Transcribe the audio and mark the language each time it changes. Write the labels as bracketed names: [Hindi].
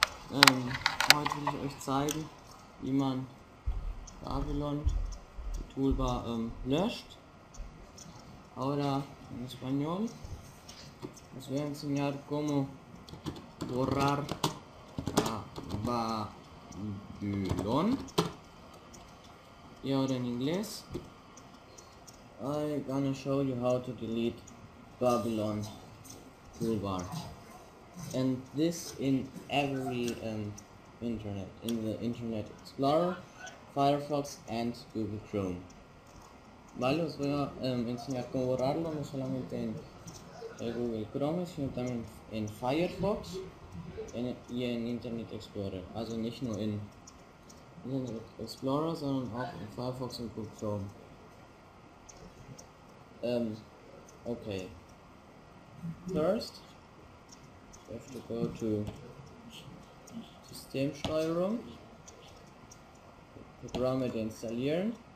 [German] Heute will ich euch zeigen, wie man BABYLON-TOOLBAR löscht. [Spanish] Ahora en español, os voy a enseñar cómo borrar a BABYLON. Y ahora en inglés, [English] I'm gonna show you how to delete BABYLON-TOOLBAR. And this in every internet, in the Internet Explorer, Firefox and Google Chrome. [Spanish] Vale, os voy a enseñar cómo borrarlo, no solamente en Google Chrome, sino también en Firefox y en Internet Explorer. [German] Also nicht nur in Internet Explorer, sondern auch in Firefox und Google Chrome. [English] Okay. First, you have to go to [German] Systemsteuerung, Programme installieren.